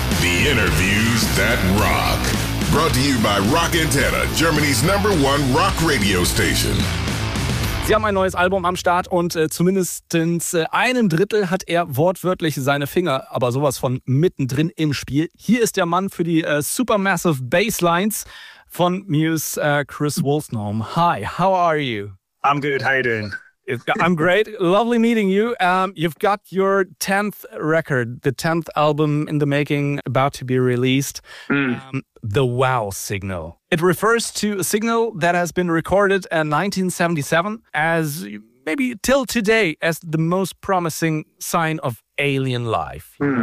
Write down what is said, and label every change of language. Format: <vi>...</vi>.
<en>The interviews that rock. Brought to you by Rock Antenna, Germany's number one rock radio station.</en> <de>Sie haben ein neues Album am Start und zumindest einem Drittel hat er wortwörtlich seine Finger, aber sowas von mittendrin im Spiel. Hier ist der Mann für die Supermassive Basslines von Muse, Chris Wolfnorm.</de> <en>Hi, how are you? I'm good, how you doing? I'm great. Lovely meeting you. You've got your 10th record, the 10th album in the making, about to be released. The Wow Signal. It refers to a signal that has been recorded in 1977 as maybe till today as the most promising sign of alien life.</en>